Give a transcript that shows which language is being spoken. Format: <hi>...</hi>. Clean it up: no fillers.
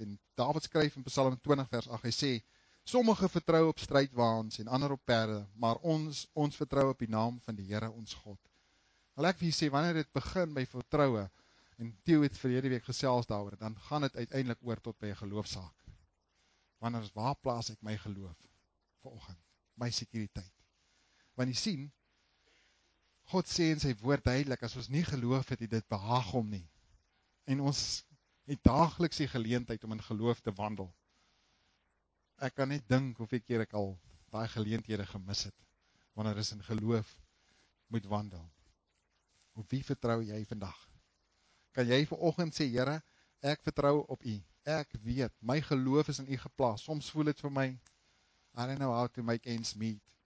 <af>En David skryf in Psalm 20 vers 8, hy sê, sommige vertrou op strydwaans en ander op perde, maar ons vertrou op die naam van die Here ons God. Wil ek vir jy sê, wanneer dit begin by vertroue, en Theo het verlede week gesels daaroor, dan gaan dit uiteindelik oor tot by 'n geloofsaak. Wanneer is waar plaas ek my geloof vanoggend, my sekuriteit. Want jy sien, God sê in sy woord duidelik, as ons nie geloof het, dit behaag hom nie. En ons het daagliks die geleentheid om in geloof te wandel. Ek kan net dink hoeveel keer ek al daai geleenthede gemis het, wanneer is in geloof moet wandel. Op wie vertrou jy vandag? Kan jy vanoggend sê, Here, ek vertrou op u. Ek weet, my geloof is in u geplaas. Soms voel dit vir my,</af> <en>I don't know how to make ends meet.</en>